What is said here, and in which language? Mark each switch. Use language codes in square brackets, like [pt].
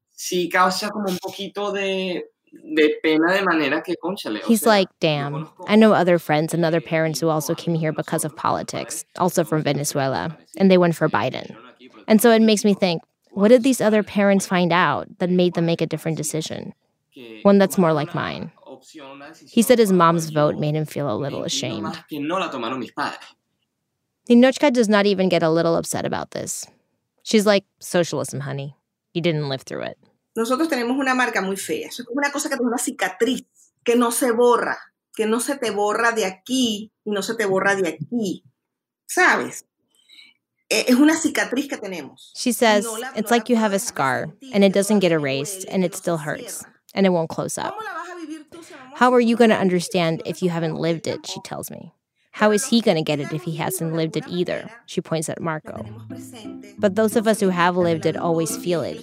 [es] Sí, causa como un poquito de pena de manera que conchale. [en] He's like, damn. I know other friends and other parents who also came here because of politics, also from Venezuela, and they went for Biden. And so it makes me think, what did these other parents find out that made them make a different decision? One that's more like mine. He said his mom's vote made him feel a little ashamed. Ninochka does not even get a little upset about this. She's like, socialism, honey. You didn't live through it. [es] Nosotros tenemos una marca muy fea. Es como una cosa que tiene una cicatriz que no se borra. Que no se te borra de aquí y no se te borra de aquí. ¿Sabes? Es una cicatriz que tenemos. [en] She says, it's like you have a scar and it doesn't get erased and it still hurts and it won't close up. How are you going to understand if you haven't lived it, she tells me. How is he going to get it if he hasn't lived it either? She points at Marco. But those of us who have lived it always feel it.